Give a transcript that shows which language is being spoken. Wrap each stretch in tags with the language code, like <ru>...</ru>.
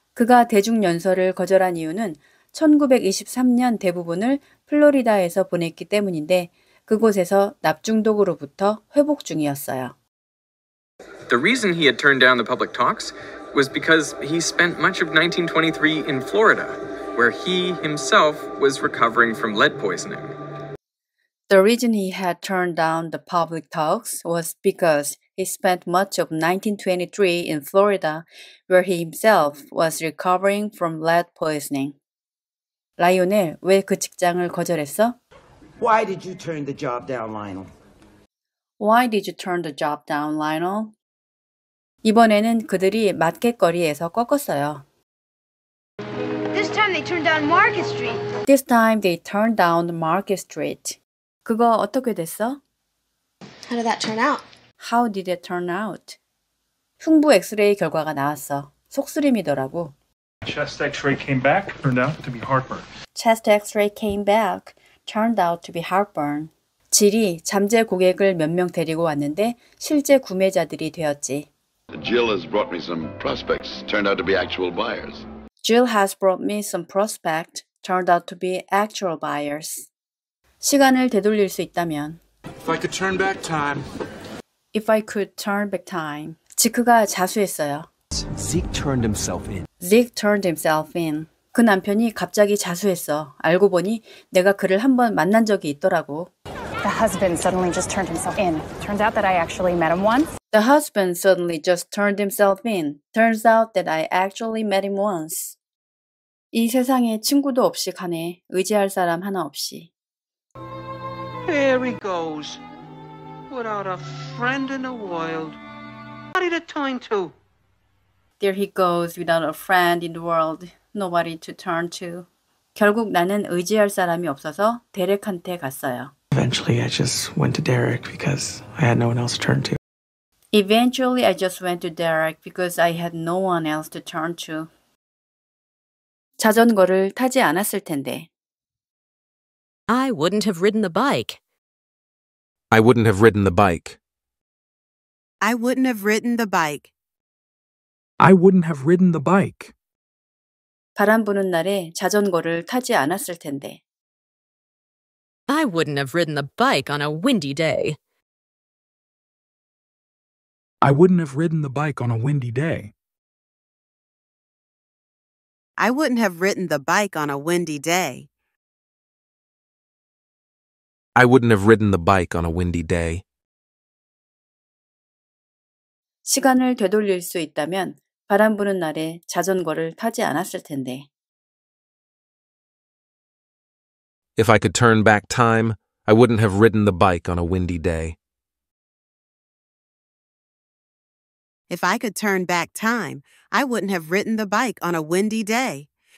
<ko>그가 대중연설을 거절한 이유는 1923년 대부분을 플로리다에서 보냈기 때문인데 그곳에서 납중독으로부터 회복 중이었어요.</ko> <en>The reason he had turned down the public talks was because he spent much of 1923 in Florida, where he himself was recovering from lead poisoning. The reason he had turned down the public talks was because he spent much of 1923 in Florida, where he himself was recovering from lead poisoning.</en> <ko>라이오넬, 왜 그 직장을 거절했어?</ko> <en>Why did you turn the job down, Lionel? Why did you turn the job down, Lionel?</en> <ko>이번에는 그들이 마켓거리에서 꺾었어요.</ko> <en>This time they turned down Market Street. This time they turned down Market Street.</en> <ko>그거 어떻게 됐어?</ko> <en>How did that turn out? How did it turn out?</en> <ko>흉부 엑스레이 결과가 나왔어. 속쓰림이더라고.</ko> <en>Chest X-ray came back, turned out to be heartburn. Chest X-ray came back, turned out to be heartburn.</en> <ko>질이 잠재 고객을 몇 명 데리고 왔는데 실제 구매자들이 되었지.</ko> <en>Jill has brought me some prospects, turned out to be actual buyers. Jill has brought me some prospects, turned out to be actual buyers.</en> <ko>시간을 되돌릴 수 있다면</ko> <en>If I could turn back time If I could turn back time</en> <ko>지크가 자수했어요.</ko> <en>Zeke turned himself in. Zeke turned himself in.</en> <ko>그 남편이 갑자기 자수했어. 알고 보니 내가 그를 한번 만난 적이 있더라고.</ko> <en>The husband suddenly just turned himself in. Turns out that I actually met him once. The husband suddenly just turned himself in. Turns out that I actually met him once.</en> <ko>이 세상에 친구도 없이 가네. 의지할 사람 하나 없이.</ko> <en>There he goes. Without a friend in the world. Nobody to turn to. There he goes without a friend in the world. Nobody to turn to.</en> <ko>결국 나는 의지할 사람이 없어서 데렉한테 갔어요.</ko> <en>Eventually, I just went to Derek because I had no one else to turn to. Eventually, I just went to Derek because I had no one else to turn to.</en> <ko>자전거를 타지 않았을 텐데.</ko> <en>I wouldn't have ridden the bike. I wouldn't have ridden the bike. I wouldn't have ridden the bike. I wouldn't have ridden the bike.</en> <ko>바람 부는 날에 자전거를 타지 않았을 텐데.</ko> <en>I wouldn't have ridden the bike on a windy day. I wouldn't have ridden the bike on a windy day. I wouldn't have ridden the bike on a windy day. I wouldn't have ridden the bike on a windy day.</en> <ko>시간을 되돌릴 수 있다면 바람 부는 날에 자전거를 타지 않았을 텐데.</ko> <en>If I could turn back time, I wouldn't have ridden the bike on a windy day. If I could turn back time, I wouldn't have ridden the bike on a windy day.</en>